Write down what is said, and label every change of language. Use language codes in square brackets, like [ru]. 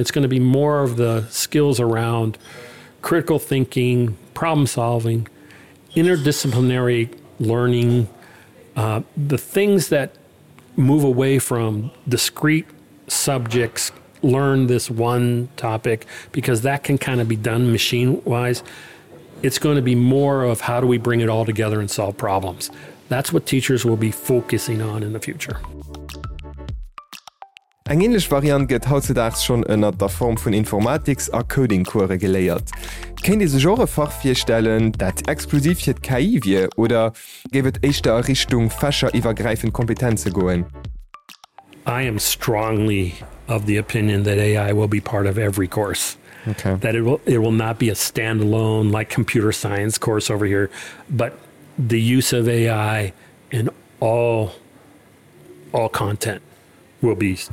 [en] It's going to be more of the skills around critical thinking, problem solving, interdisciplinary learning, the things that move away from discrete subjects, learn this one topic, because that can kind of be done machine-wise. It's going to be more of how do we bring it all together and solve problems. That's what teachers will be focusing on in the future. [de] Eine ähnliche Variante geht heutzutage schon in der Form von Informatik- und Coding-Kurse gelehrt. Könnt ihr sich auch ein Fach vorstellen, das exklusiv für KI wird, oder geht es in Richtung fächerübergreifende Kompetenzen gehen? [en] I am strongly of the opinion that AI will be part of every course. Okay. That it will not be a standalone, like computer science course over here, but the use of AI in all content will be.